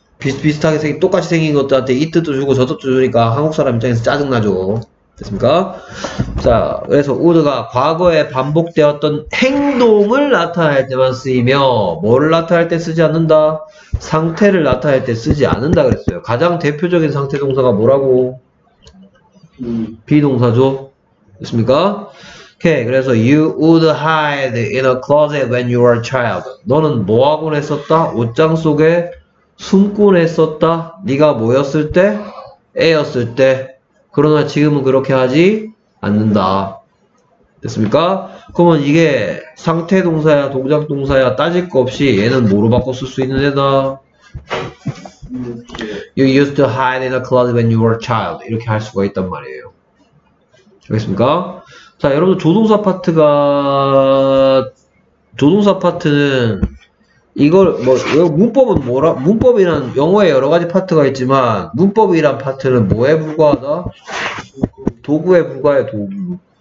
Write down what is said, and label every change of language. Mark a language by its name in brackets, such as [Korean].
[Korean] 비슷비슷하게 생긴, 똑같이 생긴 것들한테 이 뜻도 주고 저 뜻도 주니까 한국 사람 입장에서 짜증나죠. 됐습니까? 자, 그래서 would가 과거에 반복되었던 행동을 나타낼 때만 쓰이며, 뭐를 나타낼 때 쓰지 않는다? 상태를 나타낼 때 쓰지 않는다 그랬어요. 가장 대표적인 상태 동사가 뭐라고? 비동사죠. 됐습니까? [English] 오케이, 그래서 you would hide in a closet when you were a child. [Korean] 너는 뭐하곤 했었다? 옷장 속에 숨곤 했었다. 네가 뭐였을 때? 애였을 때. 그러나 지금은 그렇게 하지 않는다. 됐습니까? 그러면 이게 상태 동사야, 동작 동사야 따질 거 없이 얘는 뭐로 바꿔 쓸 수 있는 애다. [English] You used to hide in a closet when you were a child. [Korean] 이렇게 할 수가 있단 말이에요. 알겠습니까? 자, 여러분 조동사 파트가 조동사 파트는 이걸 뭐 문법은 뭐라 문법이란 영어에 여러 가지 파트가 있지만 문법이란 파트는 뭐에 불과하다? 도구에 불과해. 도구.